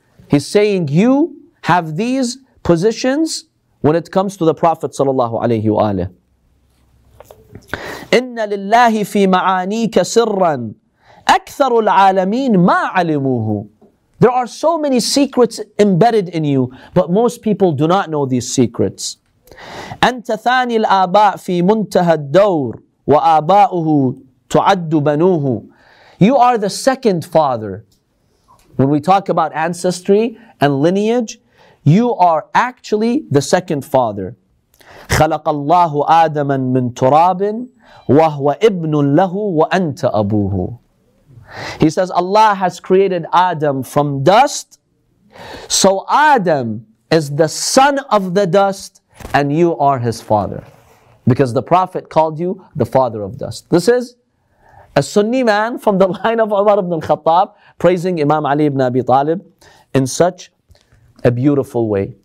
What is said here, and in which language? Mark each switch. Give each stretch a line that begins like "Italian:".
English: He's saying, you have these positions when it comes to the Prophet sallallahu alayhi wa alayhi.
Arabic: إِنَّ لِلَّهِ فِي مَعَانِيكَ سِرًّا أكثر العالمين ما علموه.
English: There are so many secrets embedded in you, but most people do not know these secrets.
Arabic: أنت ثاني الآباء في منتهى الدور وآباؤه تعد بنوه.
English: You are the second father. When we talk about ancestry and lineage, you are actually the second father.
Arabic: خلق الله آدما من تراب وهو ابن له وأنت أبوه.
English: He says, Allah has created Adam from dust. So Adam is the son of the dust and you are his father. Because the Prophet called you the father of dust. This is a Sunni man from the line of Umar ibn al-Khattab praising Imam Ali ibn Abi Talib in such a beautiful way.